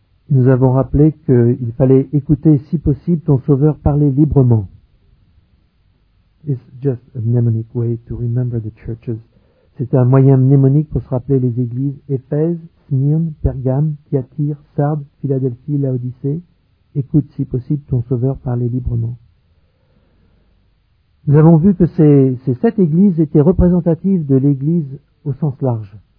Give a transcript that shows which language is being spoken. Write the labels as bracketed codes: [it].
[fr] Nous avons rappelé qu'il fallait écouter, si possible, ton Sauveur parler librement. [en] It's just a mnemonic way to remember the churches. [fr] C'est un moyen mnémonique pour se rappeler les églises Éphèse, Smyrne, Pergame, Thyatire, Sardes, Philadelphie, Laodicée. Écoute, si possible, ton Sauveur parler librement. Nous avons vu que ces sept églises étaient représentatives de l'église au sens large.